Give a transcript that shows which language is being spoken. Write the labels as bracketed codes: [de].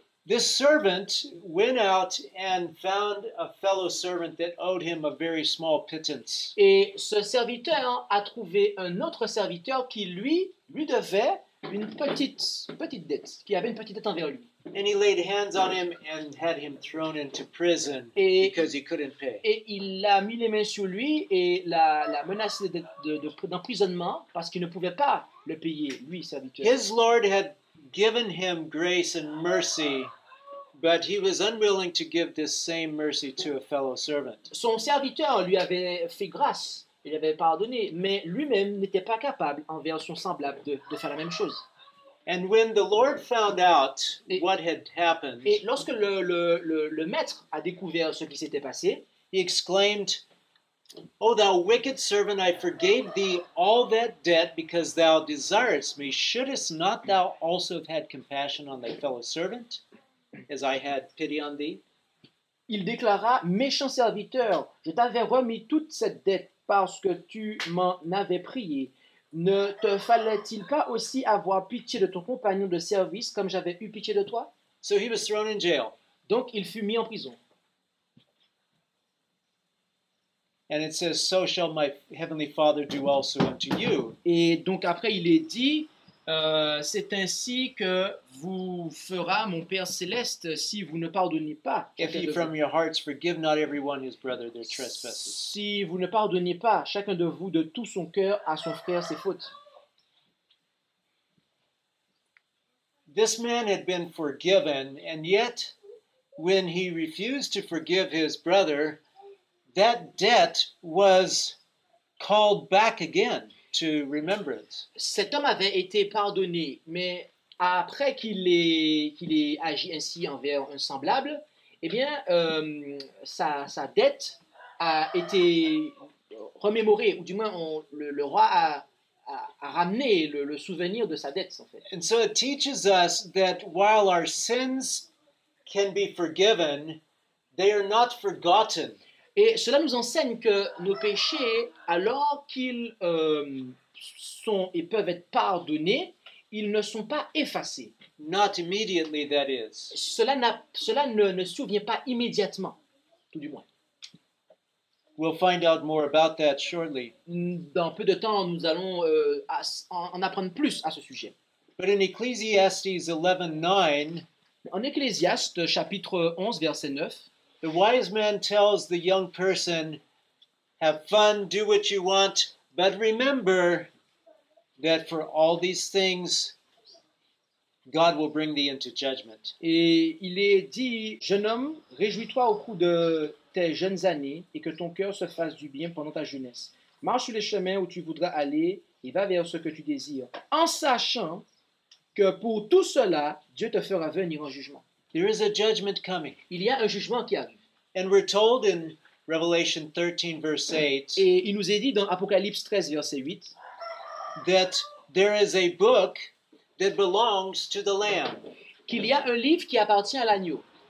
[en] This servant went out and found a fellow servant that owed him a very small pittance. [fr] Et ce serviteur a trouvé un autre serviteur qui lui devait une petite dette, qui avait une petite dette envers lui. [en] And he laid hands on him and had him thrown into prison because he couldn't pay. [fr] Et il a mis les mains sur lui et l'a menacé d'emprisonnement parce qu'il ne pouvait pas le payer, lui, serviteur. [en] His Lord had given him grace and mercy, but he was unwilling to give this same mercy to a fellow servant. [fr] Son serviteur lui avait fait grâce, il avait pardonné, mais lui-même n'était pas capable envers son semblable de faire la même chose. [en] And when the Lord found out what had happened, [fr] et lorsque le maître a découvert ce qui s'était passé, [en] he exclaimed, "O thou wicked servant, I forgave thee all that debt because thou desiredst me. Shouldest not thou also have had compassion on thy fellow servant, as I had pity on thee?" [fr] Il déclara, "Méchant serviteur, je t'avais remis toute cette dette parce que tu m'en avais prié. Ne te fallait-il pas aussi avoir pitié de ton compagnon de service comme j'avais eu pitié de toi?" [en] So he was thrown in jail. [fr] Donc il fut mis en prison. [en] And it says, "So shall my heavenly Father do also unto you." [fr] Et donc après il est dit, c'est ainsi que vous fera mon Père céleste si vous ne pardonnez pas. [en] If ye from your hearts forgive not everyone his brother their trespasses. [fr] Si vous ne pardonnez pas chacun de vous de tout son cœur à son frère ses fautes. [en] This man had been forgiven, and yet, when he refused to forgive his brother, that debt was called back again to remembrance. [fr] Cet homme avait été pardonné, mais après qu'il ait agi ainsi envers un semblable, eh bien, sa dette a été remémorée, ou du moins le roi a ramené le souvenir de sa dette, en fait. [en] And so it teaches us that while our sins can be forgiven, they are not forgotten. [fr] Et cela nous enseigne que nos péchés, alors qu'ils sont et peuvent être pardonnés, ils ne sont pas effacés. [en] Not immediately, that is. [fr] Cela ne survient pas immédiatement, tout du moins. [en] We'll find out more about that shortly. [fr] Dans peu de temps, nous allons en apprendre plus à ce sujet. [en] But in Ecclesiastes 11:9, [fr] en Ecclésiaste, chapitre 11, verset 9, [en] the wise man tells the young person, "Have fun, do what you want, but remember that for all these things, God will bring thee into judgment." [fr] Et il est dit, jeune homme, réjouis-toi au cours de tes jeunes années et que ton cœur se fasse du bien pendant ta jeunesse. Marche sur les chemins où tu voudras aller et va vers ce que tu désires, en sachant que pour tout cela, Dieu te fera venir en jugement. [en] There is a judgment coming. [fr] Il y a un jugement qui arrive. [en] And we're told in Revelation 13, verse 8. [fr] Et il nous est dit dans Apocalypse 13, verset 8, [en] that there is a book that belongs to the Lamb. [fr] Qu'il y a un livre qui appartient à l'agneau.